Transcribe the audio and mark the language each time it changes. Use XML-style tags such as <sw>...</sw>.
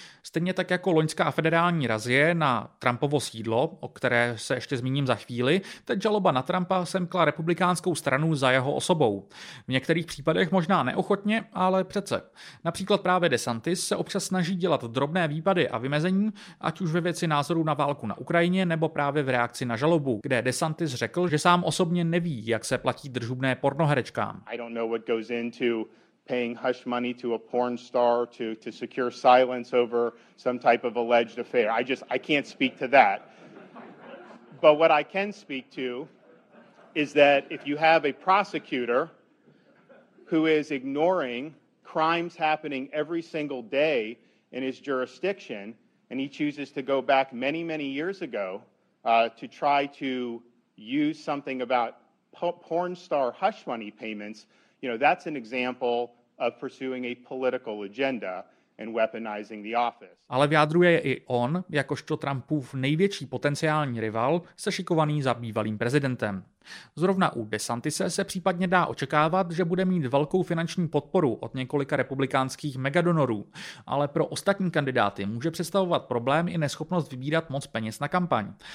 <cs>Stejně tak jako loňská federální razie na Trumpovo sídlo, o které se ještě zmíním za chvíli, teď žaloba na Trumpa semkla republikánskou stranu za jeho osobou. V některých případech možná neochotně, ale přece. Například právě DeSantis se občas snaží dělat drobné výpady a vymezení, ať už ve věci názoru na válku na Ukrajině nebo právě v reakci na žalobu, kde DeSantis řekl, že sám osobně neví, jak se platí držhubné pornoherečkám.</cs> <en>I don't know what goes into paying hush money to a porn star to secure silence over some type of alleged affair. I can't speak to that. But what I can speak to is that if you have a prosecutor who is ignoring crimes happening every single day in his jurisdiction, and he chooses to go back many, many years ago to try to use something about porn star hush money payments, you know, that's an example of pursuing a political agenda and weaponizing the office.</en> <cs>Ale v jádru je i on, jakožto Trumpův největší potenciální rival, sešikovaný za bývalým prezidentem. Zrovna u DeSantise se případně dá očekávat, že bude mít velkou finanční podporu od několika republikánských megadonorů, ale pro ostatní kandidáty může představovat problém i neschopnost vybírat moc peněz na kampaň.</cs>